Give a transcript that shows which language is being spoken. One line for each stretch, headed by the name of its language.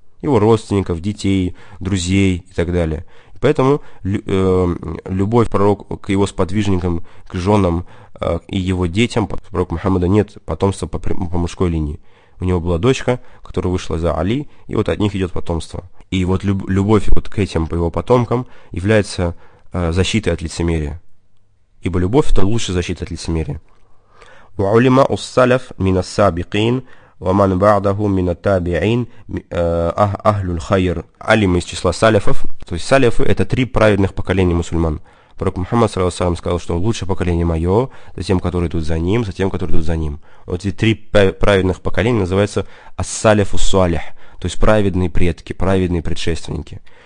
Russian: Его родственников, детей, друзей и так далее. И поэтому любовь пророка к его сподвижникам, к женам и его детям, пророк Мухаммада нет потомства по мужской линии. У него была дочка, которая вышла за Али, и вот от них идет потомство. И вот любовь вот к этим, по его потомкам, является защитой от лицемерия. Ибо любовь – это лучшая защита от лицемерия.
Arabic: وعلماء السلف من السابقين ومن بعدهم من التابعين أهل الخير.
Russian: Алимы из числа салифов, то есть салифы – это три праведных поколения мусульман. Пророк Мухаммад саллаллаху алейхи вассалям сказал, что лучшее поколение мое, затем, которые идут за ним, затем, которые идут за ним. Вот эти три праведных поколения называются ас-салифу салих, то есть праведные предки, праведные предшественники.